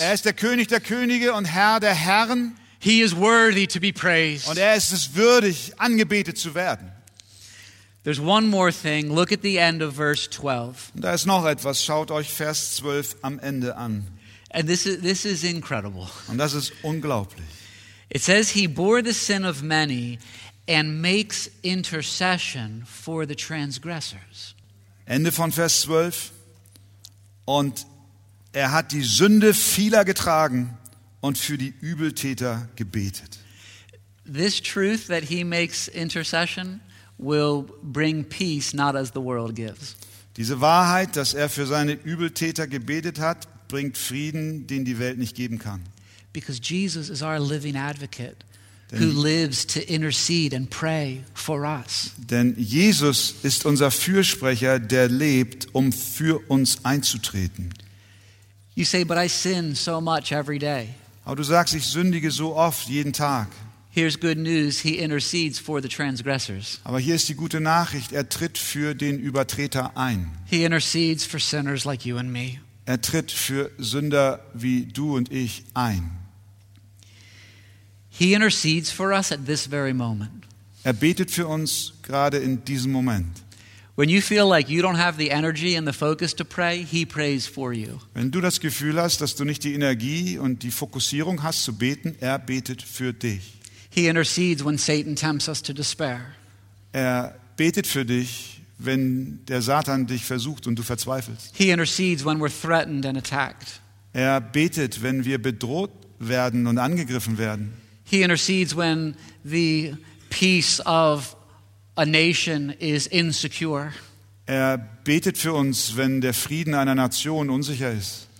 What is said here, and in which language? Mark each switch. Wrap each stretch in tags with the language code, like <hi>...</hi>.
<de>Er ist der König der Könige und Herr der Herren.</de> <en>He is worthy to be praised.</en> <de>Und er ist es würdig, angebetet zu werden.</de> <en>There's one more thing. Look at the end of verse 12.</en> <de>Und da ist noch etwas. Schaut euch Vers 12 am Ende an.</de> <en>And this is incredible.</en> <de>Und das ist unglaublich.</de> <en>It says he bore the sin of many and makes intercession for the transgressors.</en> <de>Ende von Vers 12. Und er hat die Sünde vieler getragen und für die Übeltäter gebetet.</de> <en>This truth that he makes intercession will bring peace not as the world gives.</en> <de>Diese Wahrheit, dass er für seine Übeltäter gebetet hat, bringt Frieden, den die Welt nicht geben kann.</de> <en>Because Jesus is our living advocate who lives to intercede and pray for us.</en> <de>Denn Jesus ist unser Fürsprecher, der lebt, um für uns einzutreten.</de> <en>You say, but I sin so much every day.</en> <de>Aber du sagst, ich sündige so oft jeden Tag.</de> <en>Here's good news, he intercedes for the transgressors.</en> <de>Aber hier ist die gute Nachricht, er tritt für den Übertreter ein.</de> <en>He intercedes for sinners like you and me.</en> <de>Er tritt für Sünder wie du und ich ein.</de> <en>He intercedes for us at this very moment.</en> <de>Er betet für uns gerade in diesem Moment.</de> <en>When you feel like you don't have the energy and the focus to pray, he prays for you.</en> <de>Wenn du das Gefühl hast, dass du nicht die Energie und die Fokussierung hast zu beten, er betet für dich.</de> <en>He intercedes when Satan tempts us to despair.</en> <de>Er betet für dich, wenn der Satan dich versucht und du verzweifelst.</de> <en>He intercedes when we're threatened and attacked.</en> <de>Er betet, wenn wir bedroht werden und angegriffen werden.</de> <en>He intercedes when the peace of a nation is insecure.</en> <de>Er betet für uns, wenn der Frieden einer Nation unsicher ist.</de>